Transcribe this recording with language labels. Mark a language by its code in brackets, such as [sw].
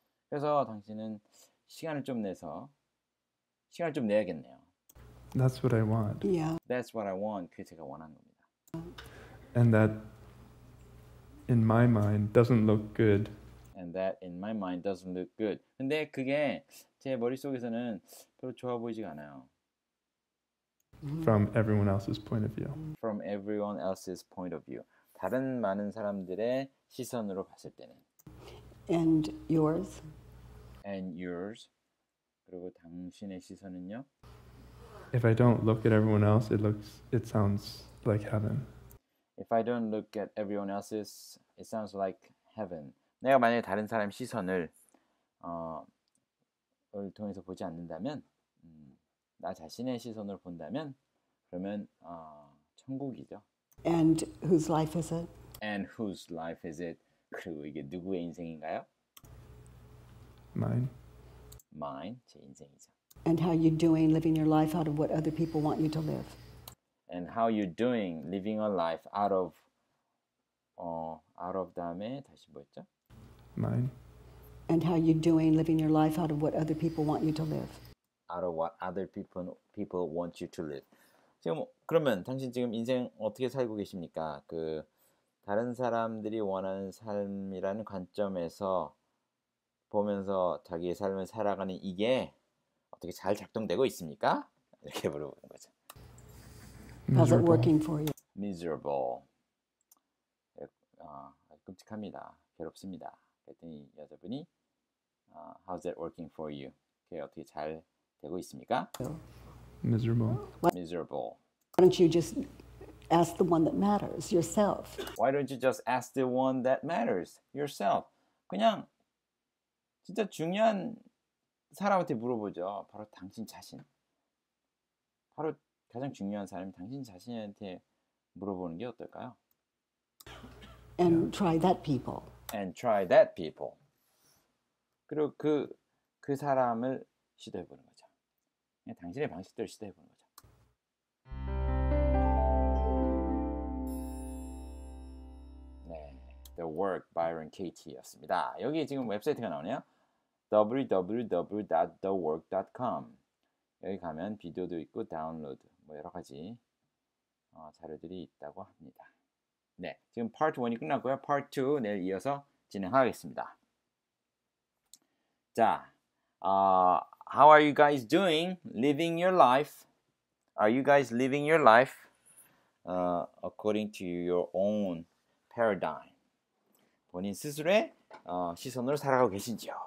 [ko] 그래서 당신은 시간을 좀 내서 시간을 좀 내야겠네요. [en] That's what I want. Yeah. That's what I want. [ko] 그게 제가 원하는 겁니다. [en] And that in my mind doesn't look good. And that in my mind doesn't look good. [ko] 근데 그게 제 머릿속에서는 별로 좋아 보이지 않아요. [en] From everyone else's point of view. From everyone else's point of view. [ko] 다른 많은 사람들의 시선으로 봤을 때는. [en] And yours. And yours. [ko] 그리고 당신의 시선은요? [en] If I don't look at everyone else, it sounds like heaven. If I don't look at everyone else's, it sounds like heaven. [ko] 내가 만약에 다른 사람 시선을 통해서 보지 않는다면 나 자신의 시선으로 본다면 그러면 천국이죠. [en] And whose life is it? And whose life is it? [ko] 그리고 이게 누구의 인생인가요? [en] Mine. [ko] Mine, 제 인생이죠. [en] And how you doing living your life out of what other people want you to live? And how you doing living a life out of out of [ko] 다음에 다시 뭐였죠? [en] Mine. And how you doing living your life out of what other people want you to live? Out of what other people want you to live. [ko] 지금 그러면 당신 지금 인생 어떻게 살고 계십니까? 그 다른 사람들이 원하는 삶이라는 관점에서 보면서 자기의 삶을 살아가는 이게 어떻게 잘 작동되고 있습니까? 이렇게 물어보는 거죠. [en] How's it working for you? Miserable. [ko] 끔찍합니다. 괴롭습니다. 그랬더니 여자분이 [en] How's it working for you? [ko] 그게 어떻게 잘 되고 있습니까? [en] Miserable. Miserable. Why don't you just ask the one that matters, yourself? Why don't you just ask the one that matters, yourself? [ko] 그냥 진짜 중요한 사람한테 물어보죠. 바로 당신 자신. 바로 가장 중요한 사람이 당신 자신한테 물어보는 게 어떨까요? And try that people. And try that people. 그리고 그 사람을 시도해보는 거죠. 그냥 당신의 방식들을 시도해보는 거죠. 네, The Work Byron Katie였습니다. 여기 지금 웹사이트가 나오네요. www.thework.com 여기 가면 비디오도 있고 다운로드 뭐 여러 가지 자료들이 있다고 합니다. 네, 지금 파트 1이 끝났고요. 파트 2 내일 이어서 진행하겠습니다. [en] 자, how are you guys doing? Living your life? Are you guys living your life according to your own paradigm? [ko] 본인 스스로의 시선으로 살아가고 계신지요.